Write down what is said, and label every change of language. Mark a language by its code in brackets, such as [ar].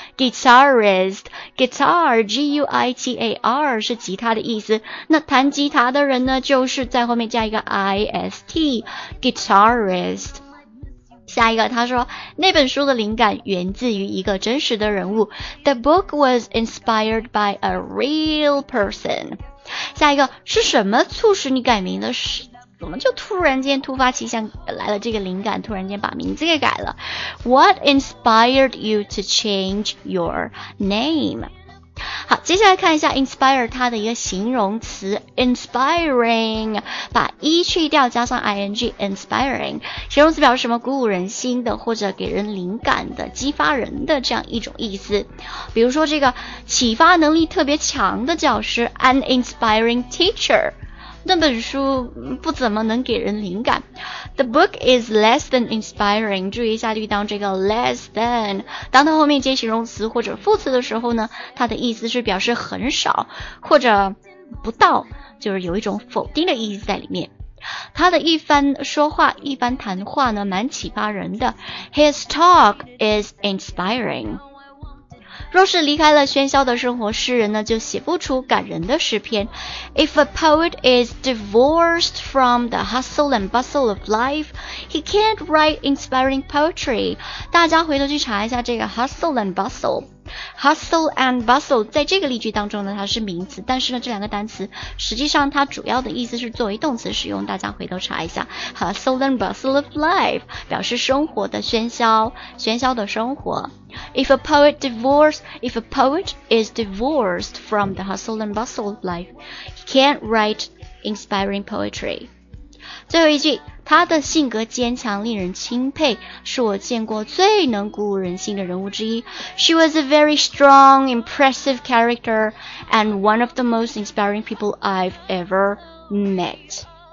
[zh] Guitarist， guitar， G-U-I-T-A-R， 是吉他的意思。那弹吉他的人呢，就是在后面加一个 I-S-T， guitarist。下一个，他说那本书的灵感源自于一个真实的人物。 [en] The book was inspired by a real person。 [zh] 下一个，是什么促使你改名的？是怎么就突然间突发奇想来了这个灵感，突然间把名字给改了？ [en] What inspired you to change your name？ [zh] 好，接下来看一下 inspire 它的一个形容词 inspiring， 把 e 去掉加上 ing， inspiring 形容词表示什么？鼓舞人心的或者给人灵感的，激发人的这样一种意思。比如说这个启发能力特别强的教师， [en] an inspiring teacher， [zh] 那本书不怎么能给人灵感。 [en] The book is less than inspiring， [zh] 注意一下就当这个 less than 当它后面接形容词或者副词的时候呢，它的意思是表示很少或者不到，就是有一种否定的意思在里面。他的一番说话，一番谈话呢，蛮启发人的。 [en] His talk is inspiring。 [zh] 若是离开了喧嚣的生活，诗人呢就写不出感人的诗篇。 [en] If a poet is divorced from the hustle and bustle of life, he can't write inspiring poetry。 [zh] 大家回头去查一下这个 hustle and bustle。hustle and bustle 在这个例句当中呢，它是名词，但是呢这两个单词实际上它主要的意思是作为动词使用，大家回头查一下 hustle and bustle of life， 表示生活的喧嚣，喧嚣的生活。 [en] If a poet is divorced from the hustle and bustle of life, he can't write inspiring poetry. [zh] 最后一句，他的性格坚强，令人钦佩，是我见过最能鼓舞人心的人物之一。 [en] She was a very strong, impressive character, and one of the most inspiring people I've ever met.